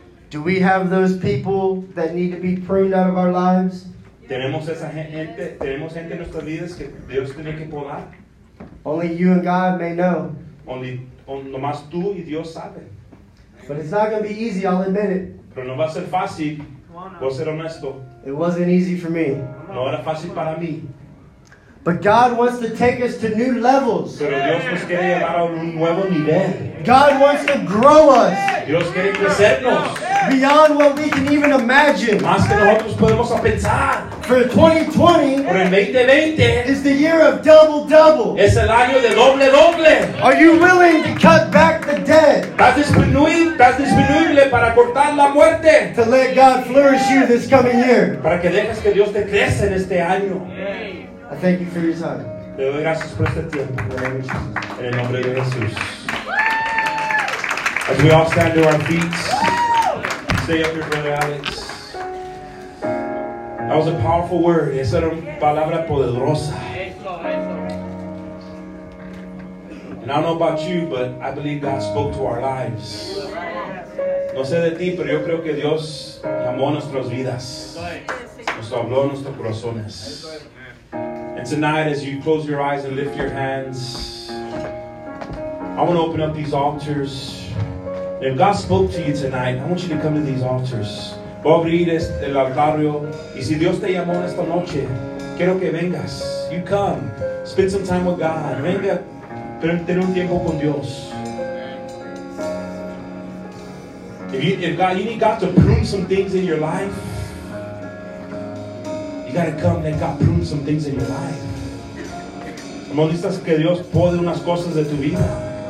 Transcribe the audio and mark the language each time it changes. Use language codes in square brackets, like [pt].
[en] Do we have those people that need to be pruned out of our lives? [es] Tenemos esa gente, tenemos gente en nuestras vidas que Dios tiene que podar. [en] Only you and God may know. [es] Nomás tú y Dios saben. [en] But it's not going to be easy, I'll admit it. [es] Pero no va a ser fácil. Voy a ser honesto. [en] It wasn't easy for me. [es] No era fácil para mí. [en] But God wants to take us to new levels. [es] Pero Dios nos quiere llevar a un nuevo nivel. [en] God wants to grow us. [es] Dios quiere crecernos. [en] Beyond what we can even imagine. [es] Más que nosotros podemos pensar. [en] For 2020, [es] por el 2020 [en] is the year of double-double. [es] Es el año de doble-doble. [en] Are you willing to cut back the dead? [es] ¿Estás disponible para cortar la muerte? [en] To let God flourish you this coming year. [es] Para que dejes que Dios te crezca en este año. [en] I thank you for your time. [es] Te doy gracias por este tiempo. En el nombre de Jesús. [en] As we all stand to our feet. Stay up here, Brother Alex. That was a powerful word. [es] Esa era una palabra poderosa. [en] And I don't know about you, but I believe God spoke to our lives. [es] No sé de ti, pero yo creo que Dios llamó nuestras vidas. Nos habló en nuestros corazones. [en] And tonight, as you close your eyes and lift your hands, I want to open up these altars. If God spoke to you tonight, I want you to come to these altars. [es] Voy a abrir el altar. Y si Dios te llamó esta noche, quiero que vengas. [en] You come. Spend some time with God. [es] Venga, ten un tiempo con Dios. [en] If you need God to prune some things in your life, you gotta come and God prune some things in your life. [es] ¿Estamos listos que Dios pone unas cosas de tu vida?